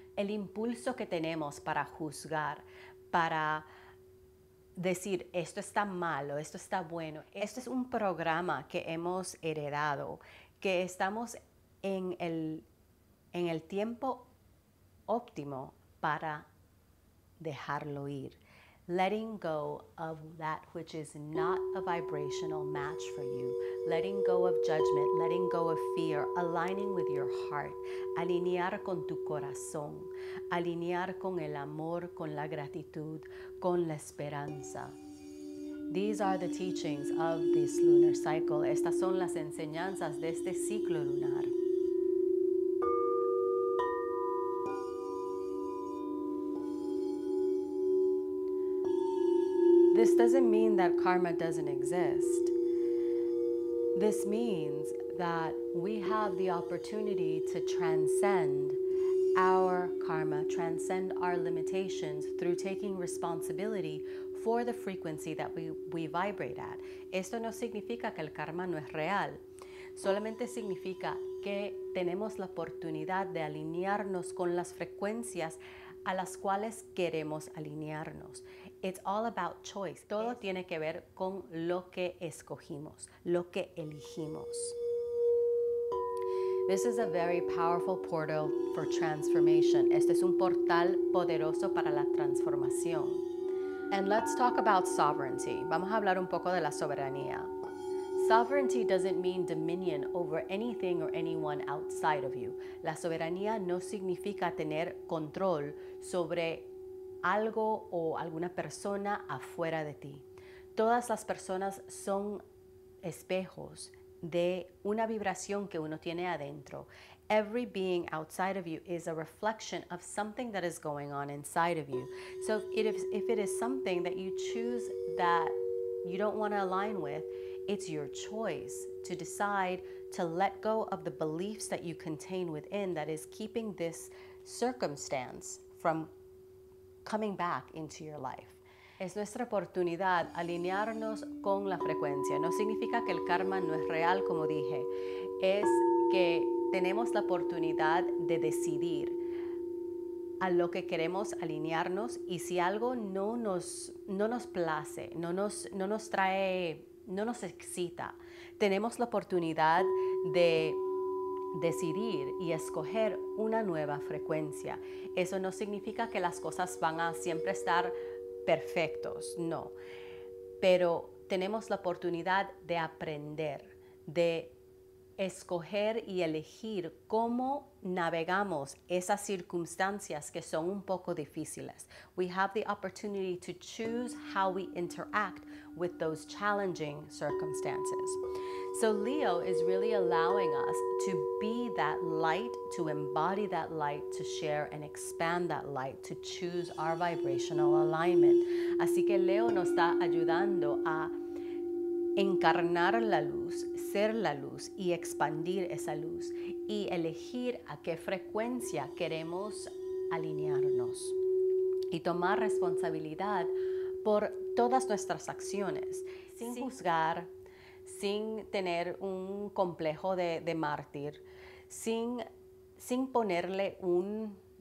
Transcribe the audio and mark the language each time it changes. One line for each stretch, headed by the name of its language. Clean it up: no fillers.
Spanish: El impulso que tenemos para juzgar, para decir esto está malo, esto está bueno, esto es un programa que hemos heredado, que estamos en el tiempo óptimo para dejarlo ir.
English: Letting go of that which is not a vibrational match for you. Letting go of judgment, letting go of fear, aligning with your heart.
Spanish: Alinear con tu corazón. Alinear con el amor, con la gratitud, con la esperanza.
English: These are the teachings of this lunar cycle.
Spanish: Estas son las enseñanzas de este ciclo lunar.
English: This doesn't mean that karma doesn't exist. This means that we have the opportunity to transcend our karma, transcend our limitations through taking responsibility for the frequency that we vibrate at.
Spanish: Esto no significa que el karma no es real. Solamente significa que tenemos la oportunidad de alinearnos con las frecuencias a las cuales queremos alinearnos.
English: It's all about choice.
Spanish: Todo tiene que ver con lo que escogimos, lo que elegimos.
English: This is a very powerful portal for transformation.
Spanish: Este es un portal poderoso para la transformación.
English: And let's talk about sovereignty.
Spanish: Vamos a hablar un poco de la soberanía.
English: Sovereignty doesn't mean dominion over anything or anyone outside of you.
Spanish: La soberanía no significa tener control sobre algo o alguna persona afuera de ti. Todas las personas son espejos de una vibración que uno tiene adentro.
English: Every being outside of you is a reflection of something that is going on inside of you. So if it is something that you choose that you don't want to align with, it's your choice to decide to let go of the beliefs that you contain within that is keeping this circumstance from coming back into your life.
Spanish: Es nuestra oportunidad alinearnos con la frecuencia. No significa que el karma no es real, como dije. Es que tenemos la oportunidad de decidir a lo que queremos alinearnos, y si algo no nos place, no nos trae, no nos excita, tenemos la oportunidad de decidir y escoger una nueva frecuencia. Eso no significa que las cosas van a siempre estar perfectos, no. Pero tenemos la oportunidad de aprender, de escoger y elegir cómo navegamos esas circunstancias que son un poco difíciles.
English: We have the opportunity to choose how we interact with those challenging circumstances. So Leo is really allowing us to be that light, to embody that light, to share and expand that light, to choose our vibrational alignment.
Spanish: Así que Leo nos está ayudando a encarnar la luz, ser la luz y expandir esa luz y elegir a qué frecuencia queremos alinearnos y tomar responsabilidad por todas nuestras acciones sin juzgar, sin tener un complejo de mártir, sin ponerle un